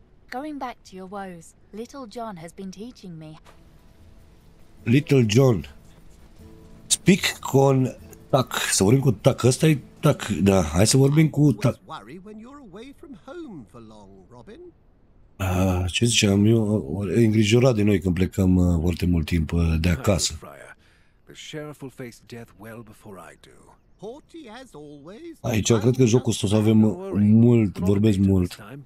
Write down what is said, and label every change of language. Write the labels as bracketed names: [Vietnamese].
[English] Going back to your woes, Little John has been teaching me. Little John. Speak con Tuck. [Romanian] Să vorbim cu Tuck. Ăsta e Tuck. Da, hai să vorbim cu Tuck. [English] Worry when you're away from home for long, Robin. [Romanian] Ce ziceam eu? E îngrijorat de noi când plecăm foarte mult timp de acasă. [English] Sheriff will face death well before I do. Haughty as always. [Romanian] Aici cred că jocul ăsta o să avem mult, vorbesc mult.